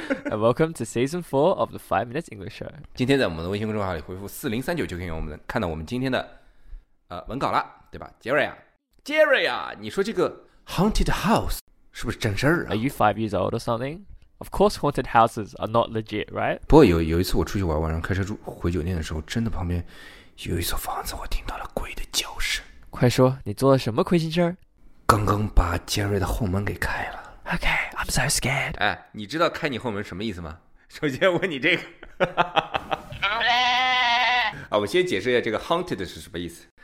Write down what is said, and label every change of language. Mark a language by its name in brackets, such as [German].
[English] Welcome to season 4 of the 5 minutes English show. [Chinese] 今天在我们的微信公众号里回复 4039, 就可以看到我们今天的文稿了，对吧？ Jerry啊，你说这个 haunted house 是不是真事儿啊？ [English] Are you 5 years old or something? Of course haunted houses are not legit, right? [Chinese] 不过 有一次我出去玩，晚上开车回酒店的时候，真的旁边有一所房子，我听到了鬼的叫声。快说，你做了什么亏心事儿？刚刚把 Jerry 的后门给开了。 [English] OK, I'm so scared. [Chinese] 哎，你知道开你后门什么意思吗？首先问你这个啊，我先解释一下这个 haunted 是什么意思。